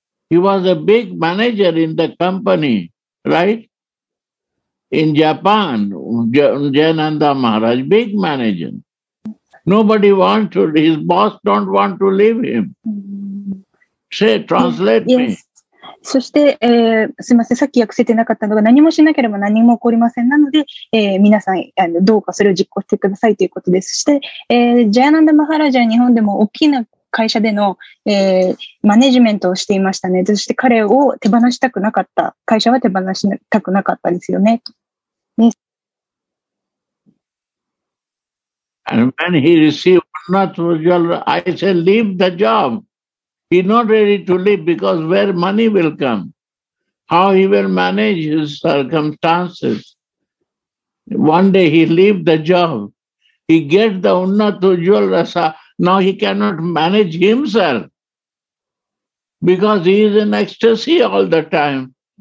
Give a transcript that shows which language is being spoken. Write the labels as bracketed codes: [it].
[en] He was a big manager in the company, right? In Japan, Jayananda Maharaj, big manager. Nobody wants to, his boss don't want to leave him. Say, translate me. [ja] そして、すみません、さっき訳せてなかったのが、何もしなければ何も起こりませんなので、皆さんどうかそれを実行してくださいということです。そして、ジャヤナンダ・マハラジャは日本でも大きな会社での、マネジメントをしていましたね。そして彼を手放したくなかった、会社は手放したくなかったですよね。ね。 [en] And when he received Unnat Ujjwal, I said, leave the job. He's not ready to leave because where money will come, how he will manage his circumstances. One day he leave the job, he gets the Unnat Ujjwal Rasa, now he cannot manage himself because he is in ecstasy all the time.